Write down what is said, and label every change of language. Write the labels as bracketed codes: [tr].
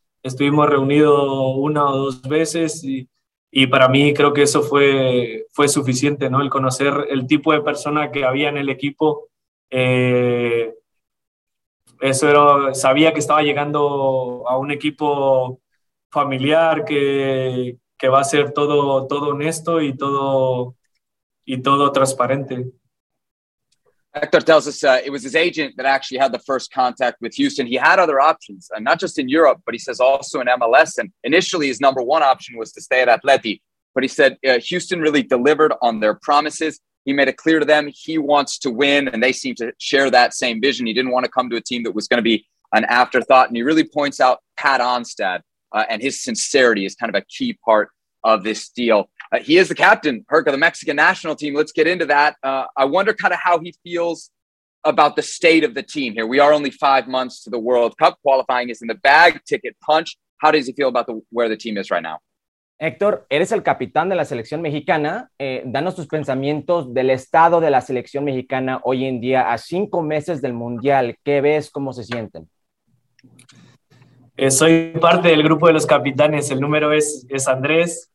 [es] Estuvimos reunidos una o dos veces y para mí creo que eso fue suficiente, ¿no? El conocer el tipo de persona que había en el equipo. Sabía que estaba llegando a un equipo familiar que va a ser todo honesto y todo transparente. [en] Héctor tells us it was his agent that actually had the first contact with Houston. He had other options, not just in Europe, but he says also in MLS. And initially, his number one option was to stay at Atleti. But he said Houston really delivered on their promises. He made it clear to them he wants to win, and they seem to share that same vision. He didn't want to come to a team that was going to be an afterthought. And he really points out Pat Onstad and his sincerity is kind of a key part of this deal. He is the captain, Herc, of the Mexican national team. Let's get into that. I wonder kind of how he feels about the state of the team here. We are only 5 months to the World Cup. Qualifying is in the bag, ticket punch. How does he feel about where the team is right now? [es] Héctor, eres el capitán de la selección mexicana. Danos tus pensamientos del estado de la selección mexicana hoy en día a 5 meses del Mundial. ¿Qué ves? ¿Cómo se sienten? Soy parte del grupo de los capitanes. El número es Andrés.